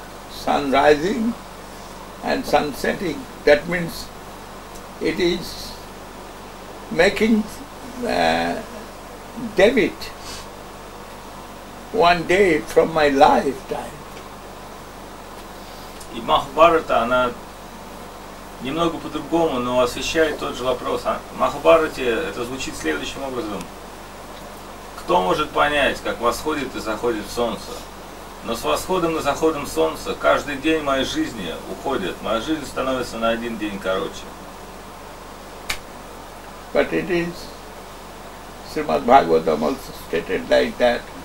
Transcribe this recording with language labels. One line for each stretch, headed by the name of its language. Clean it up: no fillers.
English: Sun rising and sun setting, that means it is making debit one day from my lifetime.
Russian: И Махабхарата, она немного по-другому, но освещает тот же вопрос. В Махабхарате это звучит следующим образом. Кто может понять, как восходит и заходит солнце? Но с восходом и заходом солнца каждый день моей жизни уходит. Моя жизнь становится на один день короче.
English: But it is Srimad Bhagavatam also stated like that.